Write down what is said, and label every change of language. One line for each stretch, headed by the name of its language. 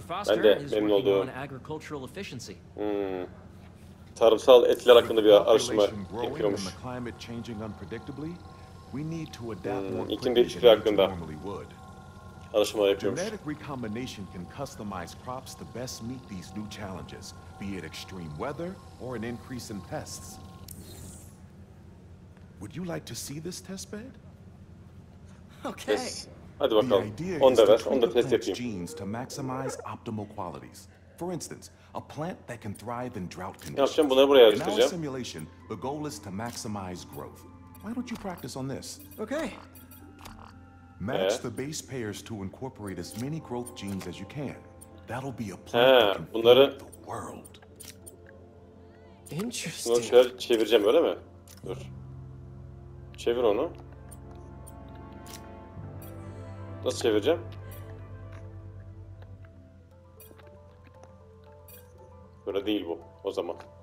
English: Foster is working on agricultural efficiency.
Turkish: Tarımsal etkiler hakkında bir araştırma yapıyormuş.
English: Climate changing unpredictably. We need to adapt more quickly. Genetic recombination can customize crops to best meet these new challenges, be it extreme weather or an increase in pests. Would you like to see this test bed? Okay.
Turkish: Hadi bakalım.
English: The idea is to test the genes to maximize optimal qualities. For instance, a plant that can thrive in drought conditions. In our simulation, the goal is to maximize growth. Why don't you practice on this? Okay. Match the base pairs to incorporate as many growth genes as you can. That'll be a plant that can feed the world. Interesting.
Turkish: Bunları şöyle çevireceğim öyle mi? Dur. Çevir onu. Nasıl çevireceğim? Böyle değil bu o zaman.